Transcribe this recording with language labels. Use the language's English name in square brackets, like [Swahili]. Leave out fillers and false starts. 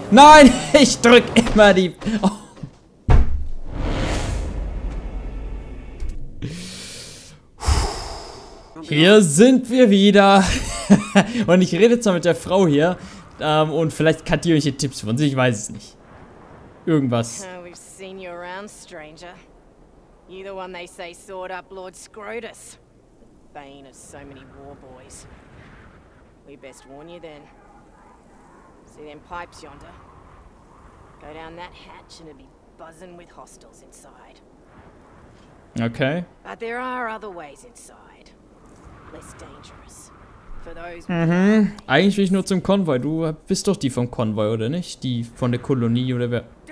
[German] Nein, ich drück immer die... Oh. Hier sind wir wieder. Und ich rede zwar mit der Frau hier. Und vielleicht kann die irgendwelche Tipps von sich, ich weiß es nicht. Irgendwas. [English] We've seen you around, stranger. You're the one they say sword up Lord Scrotus. Bane of so many war boys. We best warn you then. See them pipes yonder? Go down that hatch and it'll be buzzing with hostiles inside. Okay. But there are other ways inside. Less dangerous. For those... Mhm. [German] Eigentlich will ich nur zum Konvoi. Du bist doch die vom Konvoi, oder nicht? Die von der Kolonie oder wer...